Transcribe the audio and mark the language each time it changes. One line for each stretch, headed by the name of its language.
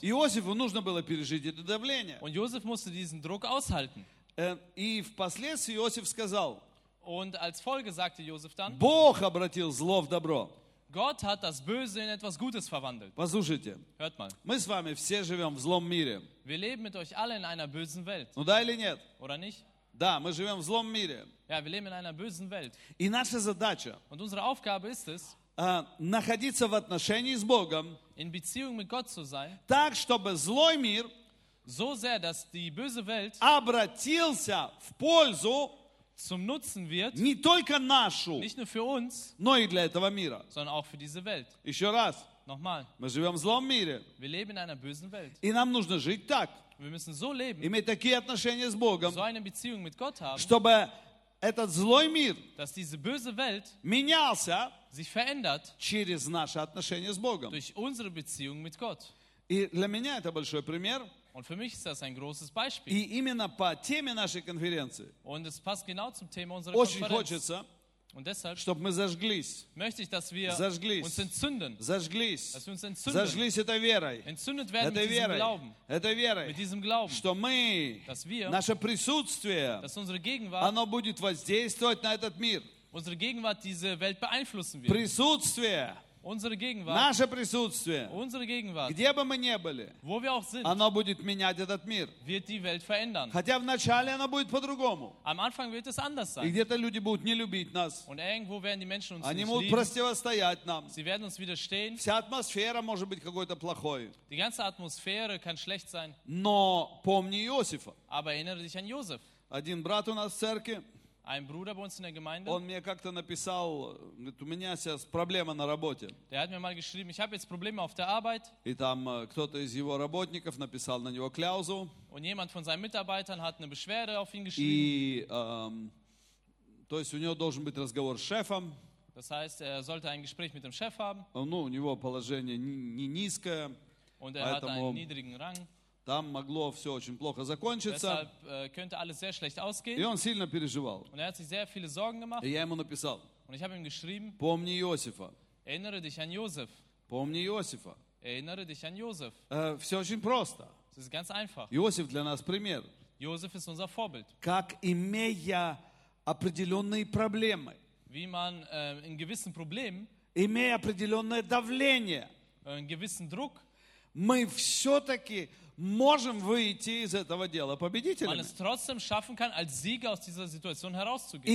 Russian: Иосифу нужно было пережить это давление.
German: Und Josef musste diesen Druck aushalten.
Russian: И впоследствии Иосиф сказал,
German: Und als Folge sagte Josef dann,
Russian: Бог обратил зло в добро.
German: Gott hat das Böse in etwas Gutes verwandelt.
Russian: Послушайте,
German: Hört mal.
Russian: Мы с вами все живем в злом мире.
German: Wir leben mit euch alle in einer bösen Welt.
Russian: Ну да или нет?
German: Oder nicht?
Russian: Да, мы живем в злом мире.
German: Ja, wir leben in einer bösen Welt.
Russian: И наша задача,
German: Und unsere Aufgabe ist es,
Russian: находиться в отношении с Богом,
German: in Beziehung mit Gott zu sein,
Russian: так, чтобы злой мир
German: so sehr, dass die böse Welt
Russian: обратился в пользу
German: zum Nutzen wird,
Russian: не только нашу,
German: nicht nur für uns,
Russian: но и для этого мира.
German: Sondern auch für diese Welt.
Russian: Еще раз.
German: Nochmal.
Russian: Мы живем в злом мире.
German: Wir leben in einer bösen Welt.
Russian: И нам нужно жить так.
German: Wir müssen so leben,
Russian: иметь такие отношения с Богом,
German: so eine Beziehung mit Gott haben,
Russian: чтобы этот злой мир,
German: dass diese böse Welt
Russian: менялся
German: sich verändert,
Russian: через наши отношения с Богом.
German: Durch unsere Beziehung mit Gott.
Russian: И для меня это большой пример.
German: Und für mich ist das ein großes Beispiel.
Russian: И именно по теме нашей конференции.
German: Und es passt genau zum Thema unserer
Russian: Очень
German: Konferenz.
Russian: Хочется,
German: Und deshalb,
Russian: чтобы мы зажглись.
German: Möchte ich, dass wir
Russian: зажглись.
German: Uns entzünden.
Russian: Зажглись.
German: Dass wir uns entzünden.
Russian: Зажглись этой верой.
German: Entzündet werden
Russian: этой верой.
German: Glauben,
Russian: этой верой.
German: Mit diesem Glauben.
Russian: Что мы,
German: dass wir,
Russian: наше присутствие,
German: dass unsere Gegenwart,
Russian: оно будет воздействовать на этот мир.
German: Unsere Gegenwart diese Welt beeinflussen wird.
Russian: Присутствие.
German: Unsere Gegenwart,
Russian: наше присутствие,
German: unsere Gegenwart,
Russian: где бы мы ни были,
German: wo wir auch sind,
Russian: оно будет менять этот мир.
German: Wird die Welt verändern.
Russian: Хотя вначале оно будет по-другому.
German: Am Anfang wird es anders sein.
Russian: И где-то люди будут не любить нас.
German: Und irgendwo werden die Menschen uns
Russian: Они
German: nicht
Russian: будут
German: lieben.
Russian: Противостоять нам.
German: Sie werden uns widerstehen.
Russian: Вся атмосфера может быть какой-то плохой.
German: Die ganze Atmosphäre kann schlecht sein.
Russian: Но помни Иосифа.
German: Aber erinnere dich an Josef.
Russian: Один брат у нас в церкви.
German: Ein Bruder bei uns in der Gemeinde.
Russian: Он мне как-то написал, говорит, у меня сейчас проблема на работе.
German: Der hat mir mal geschrieben, ich habe jetzt Probleme auf der Arbeit.
Russian: И там кто-то из его работников написал на него кляузу.
German: Und jemand von seinen Mitarbeitern hat eine Beschwerde auf ihn geschrieben.
Russian: И, то есть у него должен быть разговор с шефом.
German: Das heißt, er sollte ein Gespräch mit dem Chef haben.
Russian: Ну, у него положение не низкое.
German: Und er hat einen niedrigen Rang.
Russian: Там могло все очень плохо закончиться.
German: Deshalb, könnte alles sehr schlecht ausgehen.
Russian: И он сильно переживал.
German: Und er hat sich sehr viele Sorgen gemacht.
Russian: И я ему написал.
German: Und ich habe ihm geschrieben,
Russian: Помни Иосифа.
German: Erinnere dich an Josef.
Russian: Помни Иосифа.
German: Erinnere dich an Josef.
Russian: Все очень просто.
German: Es ist ganz einfach.
Russian: Иосиф для нас пример.
German: Josef ist unser Vorbild.
Russian: Как имея определенные проблемы.
German: Wie man, in gewissen Problemen,
Russian: имея определенное давление.
German: In gewissen Druck,
Russian: мы все-таки можем выйти из этого дела победителями.
German: Man es trotzdem schaffen kann, als Sieger aus dieser Situation herauszugehen.